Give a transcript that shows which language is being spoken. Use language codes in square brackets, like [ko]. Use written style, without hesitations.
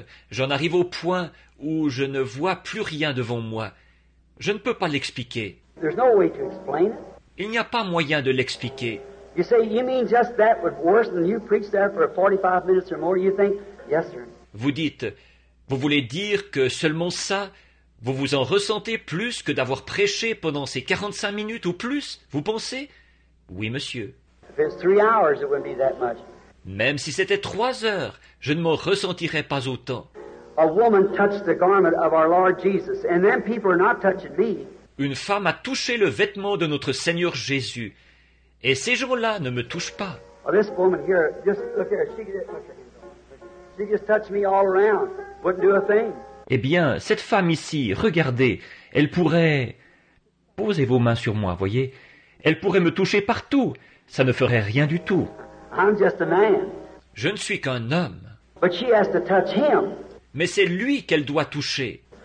[fr] J'en arrive au point où je ne vois plus rien devant moi. Je ne peux pas l'expliquer. [en] There's no way to explain it. [fr] Il n'y a pas moyen de l'expliquer. [en] You say you mean just that would worse than you preach there for 45 minutes or more, you think? Yes, sir. [fr] Vous dites, vous voulez dire que seulement ça, vous vous en ressentez plus que d'avoir prêché pendant ces 45 minutes ou plus, vous pensez? Oui, monsieur. [en] If it's 3 hours, it wouldn't be that much. [fr] Même si c'était 3 heures, je ne m'en ressentirais pas autant. [en] A woman touched the garment of our Lord Jesus, and then people are not touching me. [fr] Une femme a touché le vêtement de notre Seigneur Jésus. Et ces gens-là ne me touchent pas. [en] Well, this woman here, just look here, she just touched me all around, wouldn't do a thing. [fr] Eh bien, cette femme ici, regardez, elle pourrait... Posez vos mains sur moi, voyez. Elle pourrait me toucher partout. Ça ne ferait rien du tout. [en] I'm just a man. [fr] Je ne suis qu'un homme. [en] But she has to touch him. [fr] Mais c'est lui qu'elle doit toucher.